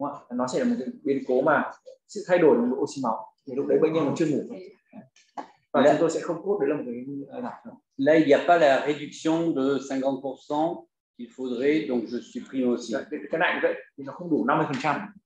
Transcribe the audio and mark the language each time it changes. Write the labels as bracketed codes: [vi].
[vi] Nó sẽ là một biến cố mà sự thay đổi nồng độ oxy máu thì lúc đấy bệnh nhân chưa ngủ và chúng tôi sẽ không cốt đấy là một cái [fr] là il n'y a pas la réduction de 50% qu'il faudrait donc je supprime aussi [vi] cái này vậy thì nó không đủ 50%